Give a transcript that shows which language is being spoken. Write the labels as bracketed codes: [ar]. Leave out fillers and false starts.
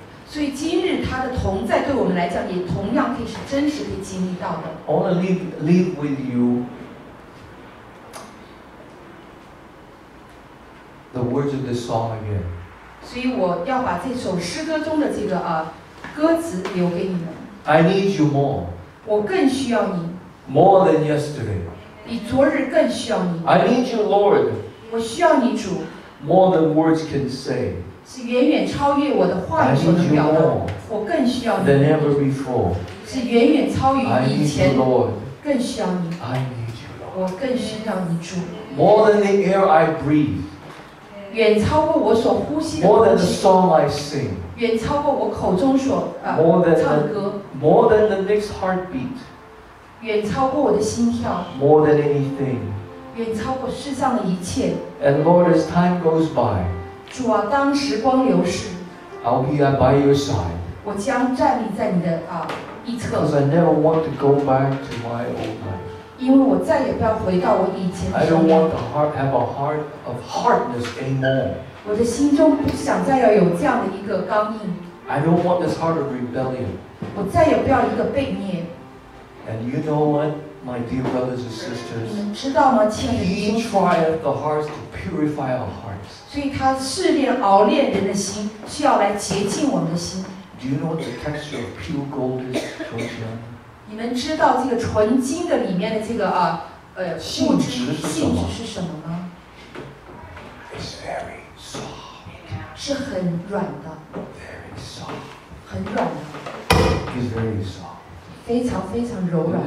[zh] 所以今日他的同在对我们来讲也同样可以是真实可以经历到的。 [en] I want to leave with you the words of this song again. [zh] 所以我要把这首诗歌中的这个歌词留给你们。 [en] I need you more. [zh] 我更需要你。 [en] More than yesterday. [zh] 比昨日更需要你。 [en] I need you, Lord. [zh] 我需要你主。 [en] More than words can say. [zh] 是远远超越我的话语所能表达，我更需要你。是远远超越以前，更需要你。我更需要你主。 [en] More than the air I breathe. [zh] 远超过我所呼吸的。 [en] More than the song I sing. [zh] 远超过我口中所唱歌。 [en] More than the next heartbeat. [zh] 远超过我的心跳。 [en] More than anything. [zh] 远超过世上的一切。 [en] And Lord, as time goes by. [zh] 主啊，当时光流逝。 [en] I'll be by your side. [zh] 我将站立在你的一侧。 [en] Because I never want to go back to my old life. [zh] 因为我再也不要回到我以前。 [en] I don't want to have a heart of hardness anymore. [zh] 我的心中不想再要有这样的一个刚硬。 [en] I don't want this heart of rebellion. [zh] 我再也不要一个悖逆。 [en] And you know what, my dear brothers and sisters? [zh] 你们知道吗，亲爱的弟兄姊妹？ [en] He tried the hearts to purify our hearts. [zh] 所以他试炼熬炼人的心，需要来洁净我们的心。 [en] Do you know what the texture of pure gold is, Georgia? [zh] 你们知道这个纯金的里面的这个啊，性质是什么？是什么呢？ [en] It's very soft. [zh] 是很软的。 [en] Very soft. [zh] 很软的。 [en] It's very soft. [zh] 非常非常柔软。